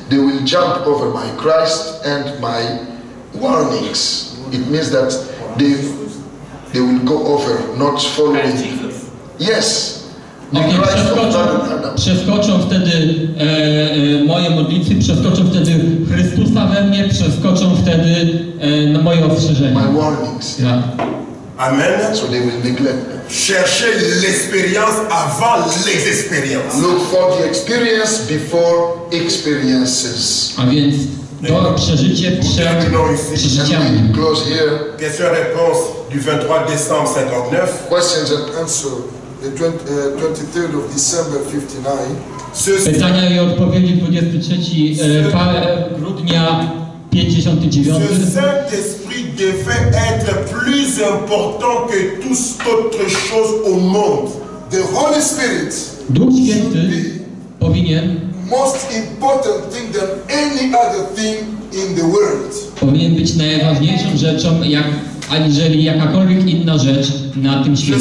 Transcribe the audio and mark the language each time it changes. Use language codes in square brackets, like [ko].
[en] They will jump over my Christ and my warnings. It means that they will go over, not following. Yes. [pl] Okay, przeskoczą wtedy moje modlitwy, przeskoczą wtedy Chrystusa we mnie, przeskoczą wtedy na moje ostrzeżenie. [en] My warnings. Yeah. Amen. So they will neglect. [fr] Cherchez l'expérience avant les expériences. [en] Look for the experience before experiences. [pl] A więc to przeżycie przed przeżyciami. [en] Close here. [fr] Question réponse du 23 décembre 59. [en] Questions and answer. The 23rd of December 59. [pl] Pytania i odpowiedzi 23 grudnia 59. [fr] Ce Saint-Esprit devait être plus important que toute autre chose au monde. [en] The Holy Spirit. [pl] Duch Święty powinien. [en] Most important thing than any other thing in the world. [pl] Powinien być najważniejszą rzeczą jak aniżeli jakakolwiek inna rzecz na tym świecie.